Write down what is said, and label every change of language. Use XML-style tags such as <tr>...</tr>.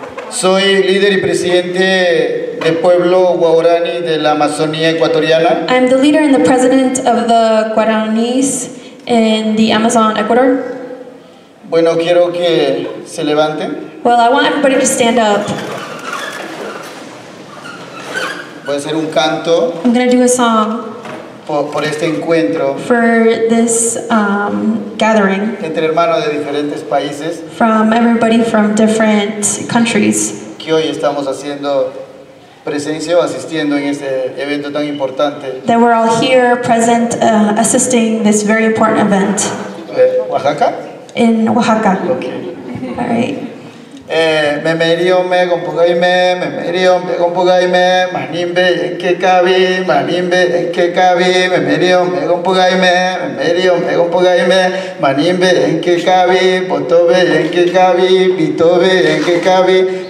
<es>Soy líder y presidente del pueblo Guarani de la Amazonía Ecuatoriana.</es> <en>I'm the leader and the president of the Guaranis in the Amazon, Ecuador.</en> <es>Bueno, quiero que se levante.</es> <en>Well, I want everybody to stand up.</en> <es>Voy a hacer un canto.</es> <en>I'm going to do a song.</en> <es>Por este encuentro.</es> <en>For this gathering.</en> <es>Entre hermanos de diferentes países.</es> <en>From everybody from different countries.</en> <es>Que hoy estamos haciendo presencia o asistiendo en este evento tan importante.</es> <en>That we're all here present assisting this very important event.</en> <es>Oaxaca.</es> <en>In Oaxaca. Okay. All right. Memeriome compugaime, memeriome compugaime, manimbe que cabi, manimbe que cabi, memeriome compugaime, memeriome compugaime, manimbe que cabi, potobe que cabi, pitobe que cabi.</en>